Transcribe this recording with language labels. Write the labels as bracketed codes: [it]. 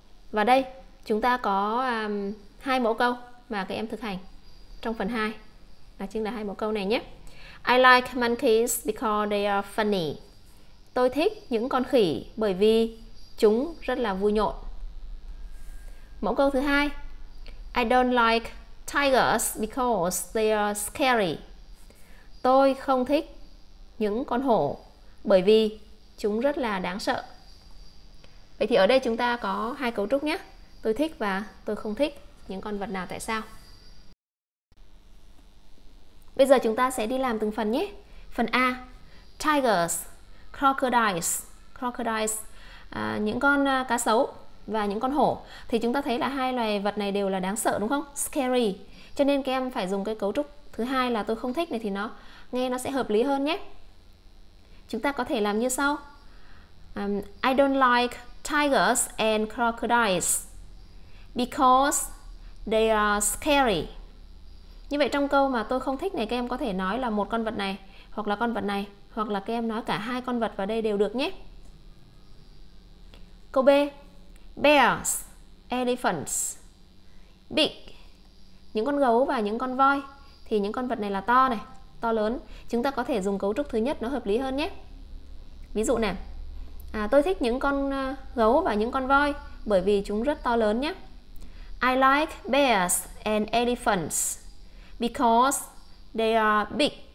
[vi] Và đây, chúng ta có hai mẫu câu mà các em thực hành trong phần 2. Là chính là hai mẫu câu này nhé. [en] I like monkeys because they are funny. [vi] Tôi thích những con khỉ bởi vì chúng rất là vui nhộn. Mẫu câu thứ hai. [en] I don't like tigers because they are scary. [vi] Tôi không thích những con hổ bởi vì chúng rất là đáng sợ. Vậy thì ở đây chúng ta có hai cấu trúc nhé. Tôi thích và tôi không thích những con vật nào, tại sao? Bây giờ chúng ta sẽ đi làm từng phần nhé. Phần A. Tigers, crocodiles. Crocodiles, những con cá sấu và những con hổ. Thì chúng ta thấy là hai loài vật này đều là đáng sợ đúng không? Scary. Cho nên các em phải dùng cái cấu trúc thứ hai là tôi không thích này thì nó nghe nó sẽ hợp lý hơn nhé. Chúng ta có thể làm như sau. [en] I don't like tigers and crocodiles because they are scary. [vi] Như vậy trong câu mà tôi không thích này, các em có thể nói là một con vật này, hoặc là con vật này, hoặc là các em nói cả hai con vật vào đây đều được nhé. Câu B. Bears, elephants, big, những con gấu và những con voi. Thì những con vật này là to này, to lớn. Chúng ta có thể dùng cấu trúc thứ nhất, nó hợp lý hơn nhé. Ví dụ nè, tôi thích những con gấu và những con voi bởi vì chúng rất to lớn nhé. [en] I like bears and elephants because they are big.